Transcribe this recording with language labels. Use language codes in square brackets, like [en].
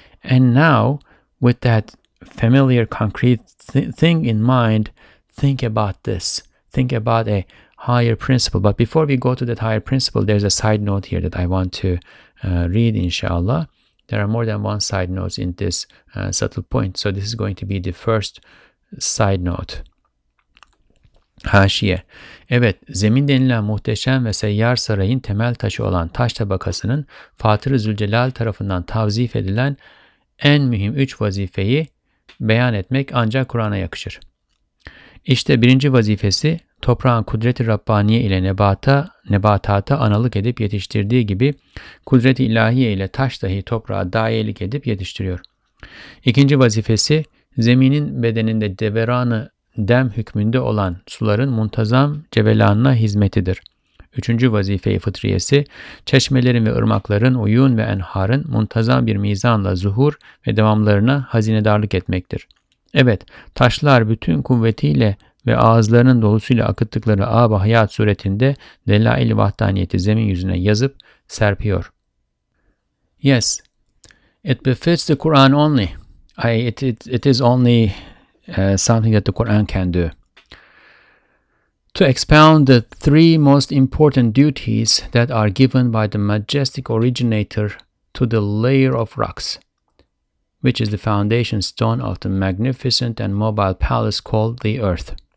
[en] And now, with that familiar, concrete thing in mind, think about this. Think about a higher principle. But before we go to that higher principle, there's a side note here that I want to read, inshallah. There are more than one side note in this subtle point. So this is going to be the first side note. [tr] Haşiye. Evet, zemin denilen muhteşem ve seyyar sarayın temel taşı olan taş tabakasının Fatır-ı Zülcelal tarafından tavzif edilen en mühim üç vazifeyi beyan etmek ancak Kur'an'a yakışır. İşte birinci vazifesi, toprağın kudret-i Rabbaniye ile nebatata analık edip yetiştirdiği gibi kudret-i ilahiye ile taş dahi toprağa dayelik edip yetiştiriyor. İkinci vazifesi, zeminin bedeninde deveranı dem hükmünde olan suların muntazam cevelanına hizmetidir. Üçüncü vazife-i fıtriyesi, çeşmelerin ve ırmakların, uyun ve enharın muntazam bir mizanla zuhur ve devamlarına hazinedarlık etmektir. Evet, taşlar bütün kuvvetiyle ve ağızlarının dolusuyla akıttıkları âb-ı hayat suretinde delail-i vahdaniyeti zemin yüzüne yazıp serpiyor. [en] Yes, it befits the Quran only. Something that the Quran can do. To expound the three most important duties that are given by the majestic originator to the layer of rocks, which is the foundation stone of the magnificent and mobile palace called the earth.